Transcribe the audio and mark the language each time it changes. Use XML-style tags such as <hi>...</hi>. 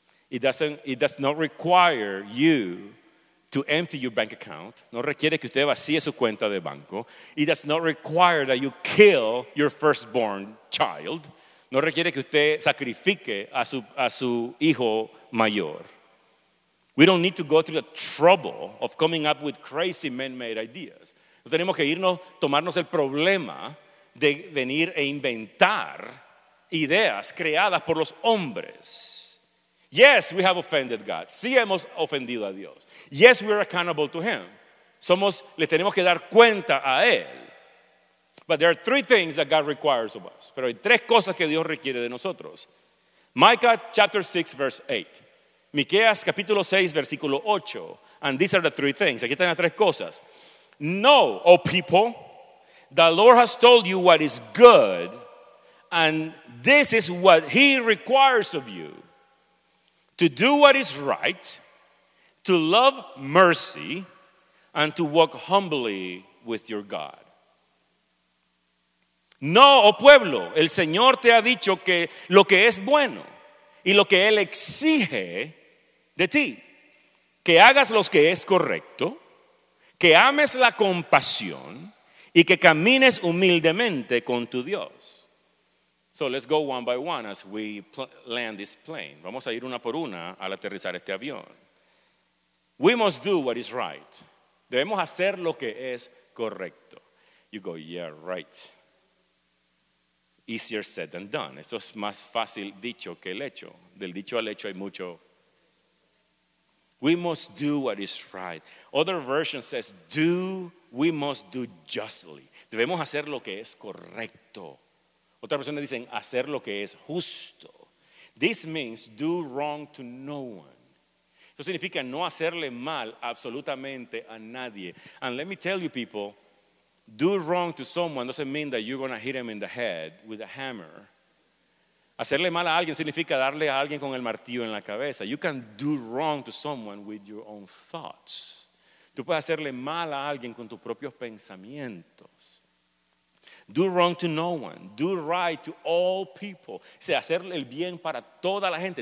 <en>It does not require you to empty your bank account.</en> <es>No requiere que usted vacíe su cuenta de banco.</es> <en>It does not require that you kill your firstborn child.</en> <es>No requiere que usted sacrifique a su hijo mayor.</es> <en>We don't need to go through the trouble of coming up with crazy man-made ideas.</en> <es>No tenemos que irnos, tomarnos el problema de venir e inventar ideas creadas por los hombres.</es> <en>Yes, we have offended God.</en> <es>Sí, hemos ofendido a Dios.</es> <en>Yes, we are accountable to him.</en> <es>Le tenemos que dar cuenta a él.</es> <en>But there are three things that God requires of us.</en> <es>Pero hay tres cosas que Dios requiere de nosotros.</es> <en>Micah chapter 6, verse 8.</en> <es>Miqueas capítulo 6, versículo 8.</es> <en>And these are the three things.</en> <es>Aquí están las tres cosas.</es> <en>Know, O people, the Lord has told you what is good, and this is what he requires of you. To do what is right, to love mercy, and to walk humbly with your God.</en> <es>No, oh pueblo, el Señor te ha dicho que lo que es bueno y lo que Él exige de ti, que hagas lo que es correcto, que ames la compasión y que camines humildemente con tu Dios.</es> <en>So let's go one by one as we land this plane.</en> <es>Vamos a ir una por una al aterrizar este avión.</es> <en>We must do what is right.</en> <es>Debemos hacer lo que es correcto.</es> <en>You go, yeah, right. Easier said than done.</en> <es>Esto es más fácil dicho que el hecho. Del dicho al hecho hay mucho.</es> <en>We must do what is right. Other version says, we must do justly.</en> <es>Debemos hacer lo que es correcto. Otra persona dice, hacer lo que es justo.</es> <en>This means do wrong to no one.</en> <es>Eso significa no hacerle mal absolutamente a nadie.</es> <en>And let me tell you people, do wrong to someone doesn't mean that you're going to hit him in the head with a hammer.</en> <es>Hacerle mal a alguien significa darle a alguien con el martillo en la cabeza.</es> <en>You can do wrong to someone with your own thoughts.</en> <es>Tú puedes hacerle mal a alguien con tus propios pensamientos.</es> <en>Do wrong to no one. Do right to all people.</en> <es>Se hacer el bien para toda la gente.</es>